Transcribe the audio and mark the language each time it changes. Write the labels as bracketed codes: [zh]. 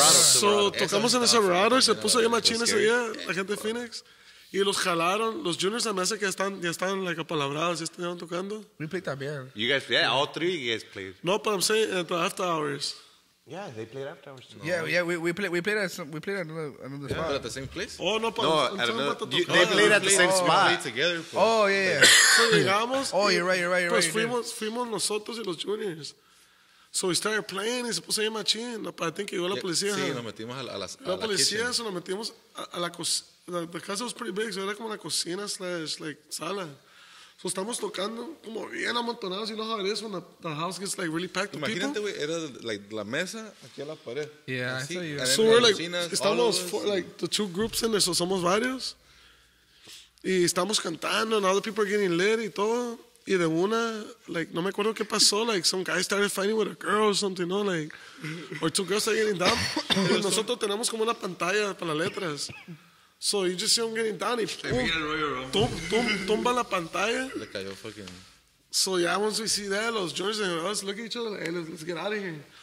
[es] So, tocamos en el Silverado y se puso ahí machín ese día, la gente de Phoenix. Y los jalaron, los juniors también hace que ya están, like, apalabrados, ya estaban tocando. [en] We played también. You guys, yeah, all three you guys played. No, but I'm saying, the after hours. Yeah, they played after hours. Tonight. Yeah, we played at another spot. But at the same place? Oh, no, but no, they played at the same spot. We played together. Pues. Oh, yeah, yeah. [es] So llegamos. [en] Oh, you're right. [es] Pues fuimos nosotros y los juniors. So we started playing y se puso ahí machín. I think llegó la policía. Sí, nos metimos a la policía, se nos metimos a la cocina. The casa was pretty big, so era como la cocina slash, like, sala. [en] So estamos tocando como bien amontonados, you know how it is when the house gets like really packed. [es] Imagínate, güey, era like la mesa aquí a la pared. [en] Yeah, [es] así. [en] So we're like, estamos four, like the two groups in there, so somos varios. Y estamos cantando and other people are getting lit y todo. Y de una, like, no me acuerdo qué pasó, like, some guy started fighting with a girl or something, you know, like, or two girls are getting down. [es] Nosotros tenemos como una pantalla para las letras. [en] So you just see him getting down and boom, [es] tumba la pantalla. Le cayó fucking. [en] So yeah, once we see that, los George and us look at each other, hey, let's get out of here.